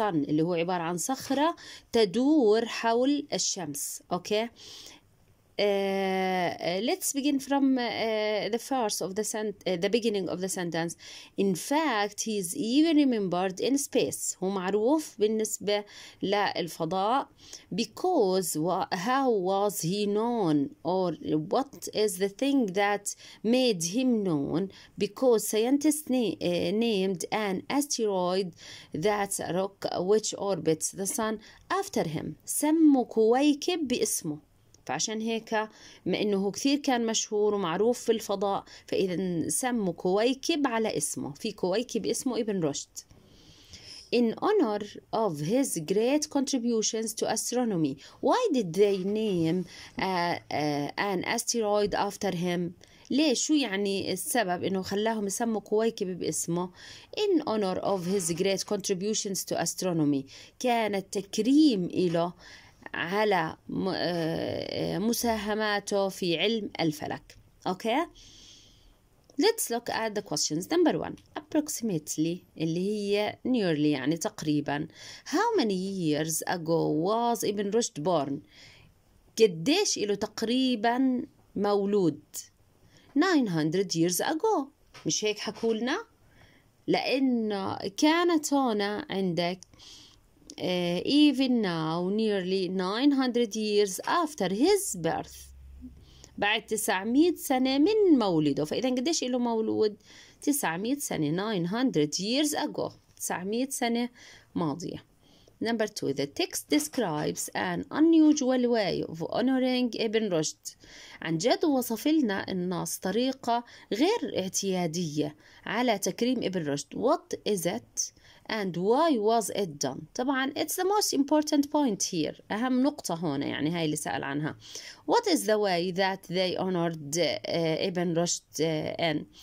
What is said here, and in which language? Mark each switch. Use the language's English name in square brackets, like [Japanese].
[Arabic] اللي هو عبارة عن صخرة تدور حول الشمس. [English] Okay. Let's begin from the first of the the beginning of the sentence. In fact, he is even remembered in space. [Arabic] هو معروف بالنسبة للفضاء. [English] Because how was he known, or what is the thing that made him known? Because scientists named an asteroid that's a rock which orbits the sun after him. [Arabic] سموا كويكب باسمه. فعشان هيك ما انه هو كثير كان مشهور ومعروف في الفضاء فاذا سموا كويكب على اسمه, في كويكب اسمه ابن رشد. [English] in honor of his great contributions to astronomy. Why did they name an asteroid after him? [Arabic] ليش شو يعني السبب إنه خلاهم يسموا كويكب باسمه؟ [English] In honor of his great contributions to astronomy. [Arabic] كان التكريم إله على مساهماته في علم الفلك. [English] Okay? Let's look at the questions. Number one. Approximately. [Arabic] اللي هي nearly يعني تقريبا. [English] How many years ago was Ibn Rushd born? [Arabic] قديش إله تقريبا مولود؟ [English] 900 years ago. [Arabic] مش هيك حكولنا؟ لأن كانت هنا عندك [English] even now nearly 900 years after his birth. [Arabic] بعد 900 سنة من مولده. فإذا قديش إله مولود؟ 900 سنة. [English] 900 years ago. 900 [Arabic] سنة ماضية. [English] Number two. The text describes an unusual way of honoring Ibn Rushd. [Arabic] عن جد وصف لنا النص طريقة غير اعتيادية على تكريم Ibn Rushd. [English] What is it and why was it done? [Arabic] طبعا [English] it's the most important point here. [Arabic] أهم نقطة هنا يعني هاي اللي سأل عنها. [English] What is the way that they honored Ibn Rushd in?